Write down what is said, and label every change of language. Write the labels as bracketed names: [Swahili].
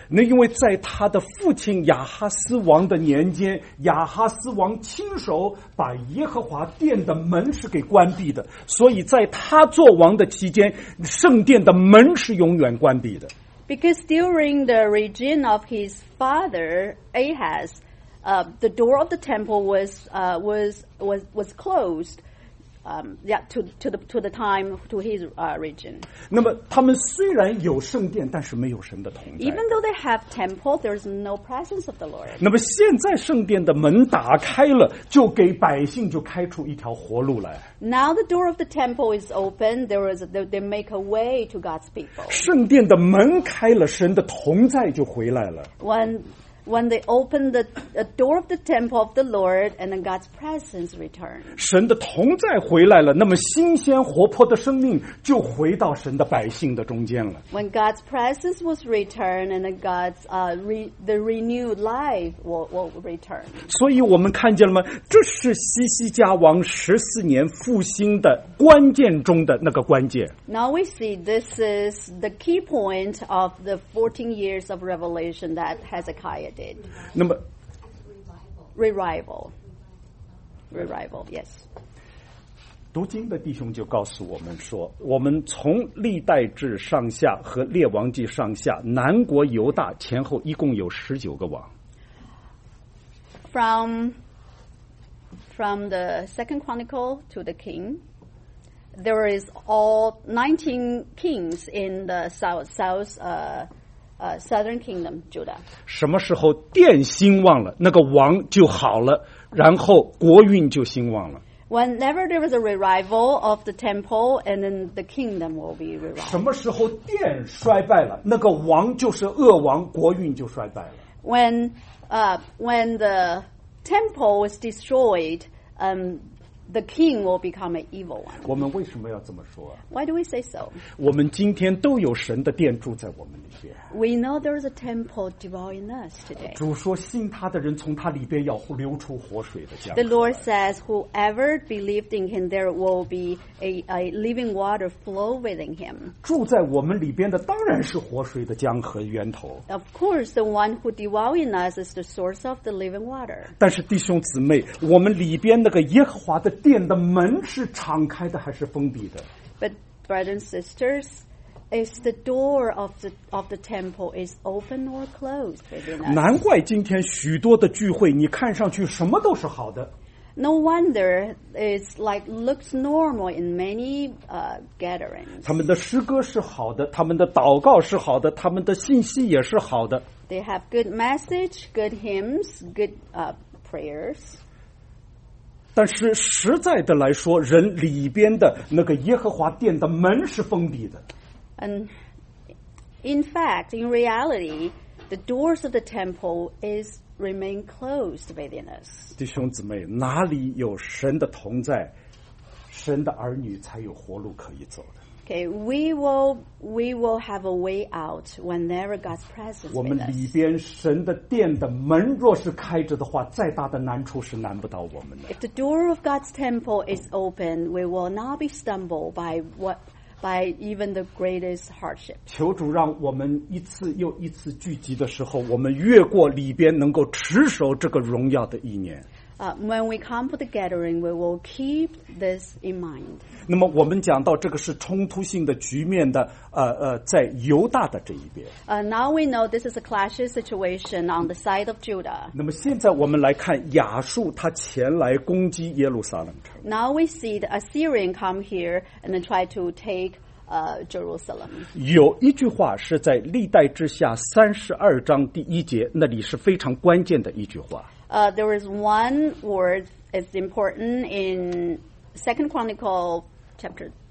[Chinese] 那因为在他的父亲亚哈斯王的年间，亚哈斯王亲手把耶和华殿的门是给关闭的，所以在他做王的期间，圣殿的门是永远关闭的。 [English] Because during the regime of his father Ahaz, the door of the temple was closed. To his region. [Chinese] 那么他们虽然有圣殿，但是没有神的同在。 [English] Even though they have temple, there is no presence of the Lord. [Chinese] 那么现在圣殿的门打开了，就给百姓就开出一条活路来。 [English] Now the door of the temple is open. They make a way to God's people. [Chinese] 圣殿的门开了，神的同在就回来了。 [English] When when they opened the door of the temple of the Lord and God's presence returned. [Chinese] 神的同在回来了，那么新鲜活泼的生命就回到神的百姓的中间了。 [English] When God's presence was returned and God's the renewed life will return. [Chinese] 所以我们看见了吗？这是西西家王十四年复兴的关键中的那个关键。 [English] Now we see this is the key point of the 14 years of revelation that Hezekiah. [Chinese] 那么 [English] Revival, yes. [Chinese] 读经的弟兄就告诉我们说，我们从历代志上下和列王记上下，南国犹大前后一共有十九个王。 [English] From the Second Chronicle to the King, there is all 19 kings in the southern kingdom, Judah. [Chinese] 什么时候殿兴旺了，那个王就好了，然后国运就兴旺了。 [English] Whenever there was a revival of the temple, and then the kingdom will be revived. [Chinese] 什么时候殿衰败了，那个王就是恶王，国运就衰败了。 [English] When the temple was destroyed, the king will become an evil one. [Chinese] 我们为什么要这么说？ [English] Why do we say so? [Chinese] 我们今天都有神的殿住在我们里边。 [English] We know there is a temple dwelling in us today. [Chinese] 主说信他的人从他里边要流出活水的江。 [English] The Lord says whoever believed in him, there will be a living water flow within him. [Chinese] 住在我们里边的当然是活水的江河源头。 [English] Of course, the one who dwells in us is the source of the living water. [Chinese] 但是弟兄姊妹，我们里边那个耶和华的殿的门是敞开的还是封闭的？ [English] But brothers and sisters, is the door of the temple is open or closed within us? [Chinese] 难怪今天许多的聚会，你看上去什么都是好的。 [English] No wonder it's like looks normal in many gatherings. [Chinese] 他们的诗歌是好的，他们的祷告是好的，他们的信息也是好的。 [English] They have good message, good hymns, good prayers. [Chinese] 但是实在的来说，人里边的那个耶和华殿的门是封闭的。 [English] And in fact, in reality, the doors of the temple is remain closed within us. [Chinese] 弟兄姊妹，哪里有神的同在，神的儿女才有活路可以走的。 [English] Okay, we will have a way out whenever God's presence is with us. [Chinese] 我们里边神的殿的门若是开着的话，再大的难处是难不倒我们的。 [English] If the door of God's temple is open, we will not be stumbled by even the greatest hardship. [Chinese] 求主让我们一次又一次聚集的时候，我们越过里边能够持守这个荣耀的一年。 [English] When we come to the gathering, we will keep this in mind. [Chinese] 那么我们讲到这个是冲突性的局面的，在犹大的这一边。 [English] Now we know this is a clashing situation on the side of Judah. [Chinese] 那么现在我们来看亚述他前来攻击耶路撒冷城。 [English] Now we see the Assyrian come here and then try to take Jerusalem. [Chinese] 有一句话是在历代志下32章第一节，那里是非常关键的一句话。 [English] There is one word that's important in Second Chronicle chapter